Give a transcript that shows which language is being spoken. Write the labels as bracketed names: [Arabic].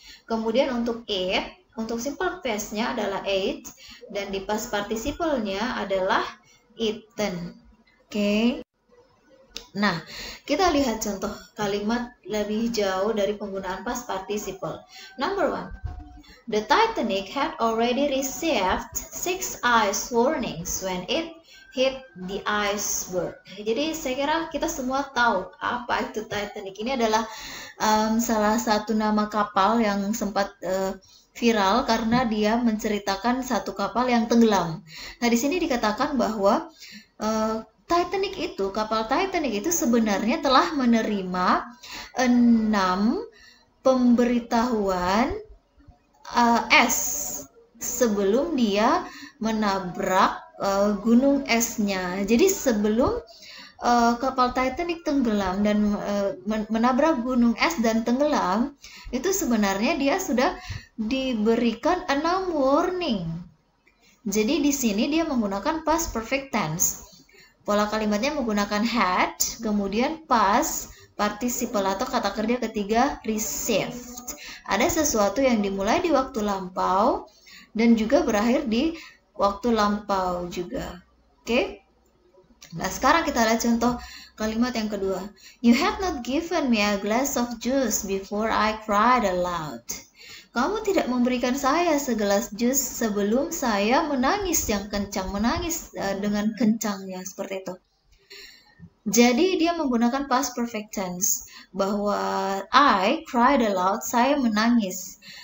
[Indonesian] Kemudian untuk it, untuk simple past-nya adalah ate. Dan di past participle-nya adalah eaten. Oke. Nah, kita lihat contoh kalimat lebih jauh dari penggunaan past participle. [English] Number one. The Titanic had already received 6 ice warnings when it hit the iceberg. [Indonesian] Jadi saya kira kita semua tahu apa itu Titanic. Ini adalah salah satu nama kapal yang sempat viral karena dia menceritakan satu kapal yang tenggelam. Nah, di sini dikatakan bahwa Titanic itu, kapal Titanic itu sebenarnya telah menerima 6 pemberitahuan es sebelum dia menabrak gunung esnya. Jadi sebelum kapal Titanic tenggelam dan menabrak gunung es dan tenggelam, itu sebenarnya dia sudah diberikan 6 warning. Jadi di sini dia menggunakan past perfect tense. Pola kalimatnya menggunakan had, kemudian past participle atau kata kerja ketiga received. Ada sesuatu yang dimulai di waktu lampau dan juga berakhir di waktu lampau juga. Oke? Nah, sekarang kita lihat contoh kalimat yang kedua. [English] You have not given me a glass of juice before I cried aloud. [Indonesian] Kamu tidak memberikan saya segelas jus sebelum saya menangis yang kencang, menangis dengan kencangnya seperti itu. Jadi dia menggunakan past perfect tense bahwa [English] I cried aloud, [Indonesian] saya menangis.